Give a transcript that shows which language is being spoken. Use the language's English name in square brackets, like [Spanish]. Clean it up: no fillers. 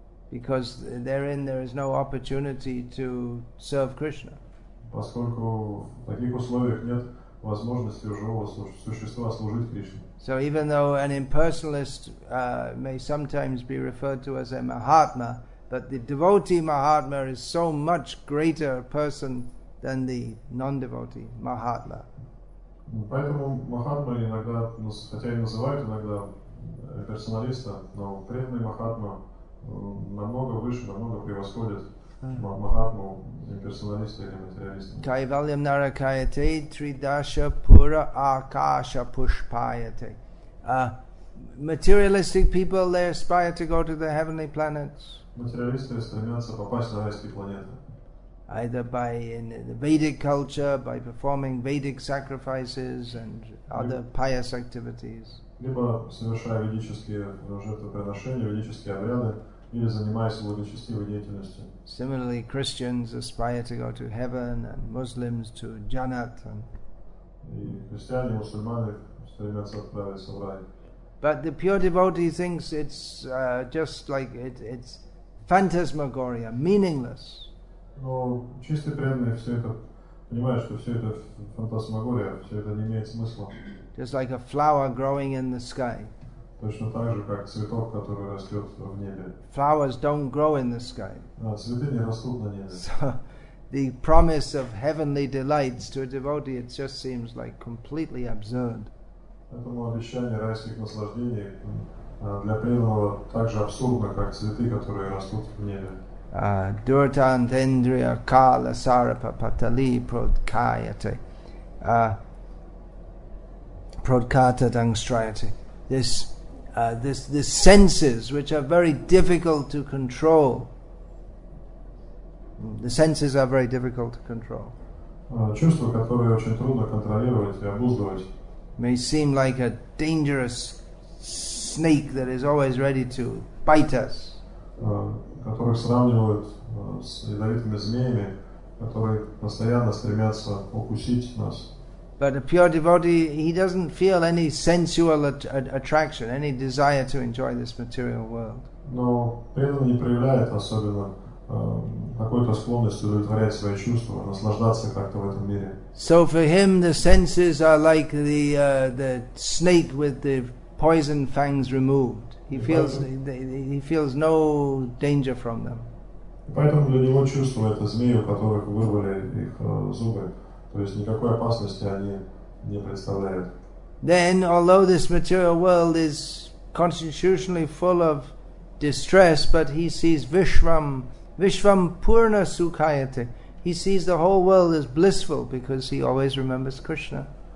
[English] Because therein there is no opportunity to serve Krishna. [Russian] Поскольку в таких условиях нет возможности живого существа служить Кришне. [English] So even though an impersonalist may sometimes be referred to as a Mahatma, but the devotee Mahatma is so much greater person than the non-devotee Mahatma. [Russian] Поэтому Махатма иногда, хотя и называют иногда персоналиста, но преданный Махатма намного выше, намного превосходит Махатму имперсоналиста или материалиста. [Sanskrit] Кайвальям наракаяте тридаша пура акаша пушпаяте. [English] Materialistic people, they aspire to go to the heavenly planets. [Russian] Материалисты стремятся попасть на райские планеты. [English] Either by in the Vedic culture, by performing Vedic sacrifices and other pious activities. [Russian] Либо совершая ведические жертвоприношения, ведические обряды, или занимаясь благочестивой деятельностью. [English] Similarly, Christians aspire to go to heaven, and Muslims to Jannat. [Russian] И христиане, мусульмане стремятся отправиться в рай. [English] But the pure devotee thinks it's just like it's phantasmagoria, meaningless. [Russian] Но чистый преданный все это понимает, что все это фантасмагория, все это не имеет смысла. [English] Just like a flower growing in the sky. [Russian] Точно так же, как цветок, который растет в небе. [English] Flowers don't grow in the sky. [Russian] Цветы не растут на небе. [English] So, the promise of heavenly delights to a devotee, it just seems like completely absurd. [Russian] Поэтому обещание райских наслаждений для преданного так же абсурдно, как цветы, которые растут в небе. [Sanskrit] Duratantendriya kala sarapa patali prodkayate prodkata dangstrayate. [English] This senses which are very difficult to control. The senses are very difficult to control. [Russian] Чувства, которые очень трудно контролировать и обуздывать. [English] May seem like a dangerous snake that is always ready to bite us. [Russian] Которых сравнивают с ядовитыми змеями, которые постоянно стремятся укусить нас. [English] But a pure devotee, he doesn't feel any sensual attraction, any desire to enjoy this material world. [Russian] Но преданный не проявляет особенно какой-то склонности удовлетворять свои чувства, наслаждаться как-то в этом мире. [English] So for him the senses are like the snake with the poison fangs removed. He feels no danger from them. [Russian] Поэтому для него чувства — это змеи, у которых вырвали их зубы, то есть никакой опасности они не представляют. [English] Then, although this material world is constitutionally full of distress, but he sees [Sanskrit] Vishvam Purna Sukhayate. [English] He sees the whole world as blissful because he always remembers Krishna.